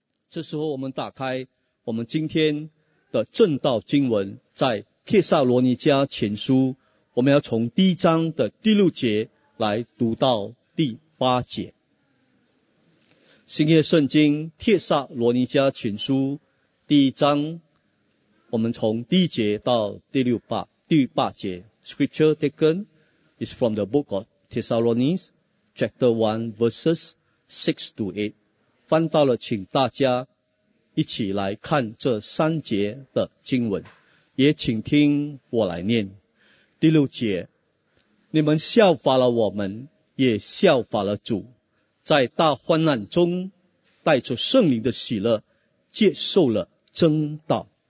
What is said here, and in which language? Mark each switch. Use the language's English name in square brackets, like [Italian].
[Chinese] 这时候我们打开我们今天的正道经文，在帖撒罗尼迦前书，我们要从第一章的第六节来读到第八节。新约圣经帖撒罗尼迦前书第一章，我们从第一节到第八节。 [English] Scripture taken is from the book of Thessalonians, chapter 1, verses 6 to 8. [Chinese] 翻到了，请大家一起来看这三节的经文，也请听我来念。第六节，你们效法了我们，也效法了主，在大患难中带着圣灵的喜乐接受了真道。